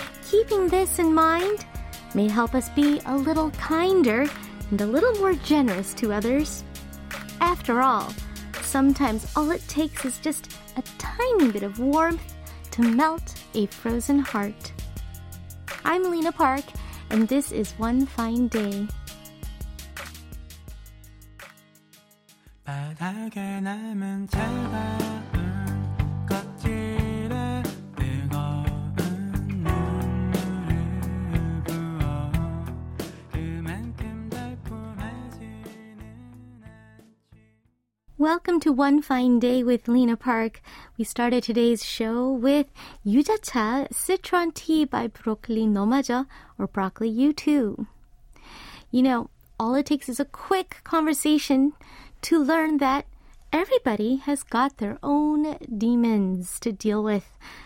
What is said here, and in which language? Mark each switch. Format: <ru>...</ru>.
<en>Keeping this in mind may help us be a little kinder and a little more generous to others. After all, sometimes all it takes is just a tiny bit of warmth to melt a frozen heart. I'm Lena Park, and this is One Fine Day.</en> <ko>바닥에 남은 차가운 껍질에 뜨거운 눈물을 부어 그만큼 달콤해지는 안지.</ko> <en>Welcome to One Fine Day with Lena Park. We started today's show with 유자차, Citron Tea by Broccoli 너마저, or Broccoli You Too. You know, all it takes is a quick conversation to learn that everybody has got their own demons to deal with.</en>